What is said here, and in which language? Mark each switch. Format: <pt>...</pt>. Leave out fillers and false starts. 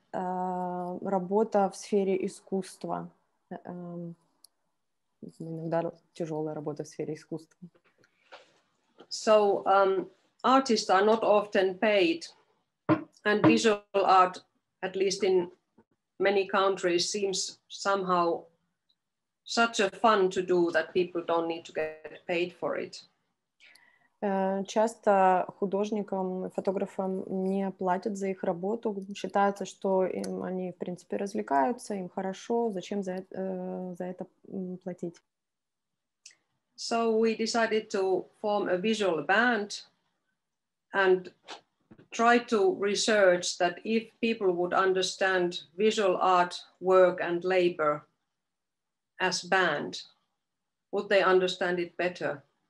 <ru>Работа в сфере искусства. Иногда тяжелая работа в сфере искусства.</ru> <en>So artists are not often paid, and visual art, at least in many countries, seems somehow such a fun to do that people don't need to get paid for it.</en> <ru>Часто художникам, фотографам не платят за их работу. Считается, что им они, в принципе, развлекаются, им хорошо. Зачем за это платить?</ru> <en>So we decided to form a visual band and try to research that if people would understand visual art, work and labor as band, would they understand it better?</en>